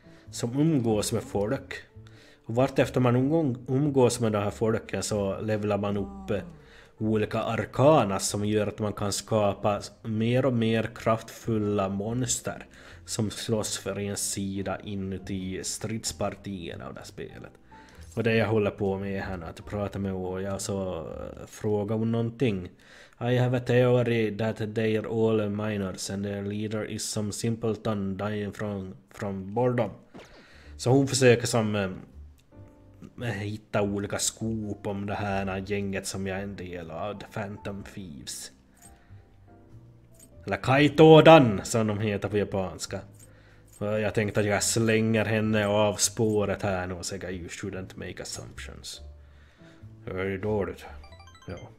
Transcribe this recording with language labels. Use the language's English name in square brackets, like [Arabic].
[Swedish] Som umgås med folk. Och vart efter man umgås med de här folken så levelar man upp olika arkana som gör att man kan skapa mer och mer kraftfulla monster. Som slåss för en sida inuti stridspartierna av det här spelet. Och det jag håller på med är att prata med Oja och så fråga om någonting. [English] I have a theory that they are all minors and their leader is some simpleton dying from boredom. [Swedish] Så hon försöker som hitta olika skop om det här gänget som jag är en del av, The Phantom Thieves. Eller Kaitodan som de heter på japanska. Jag tänkte att jag slänger henne av spåret här nu och säger [English] you shouldn't make assumptions. [Swedish] Det är ju dåligt. Ja.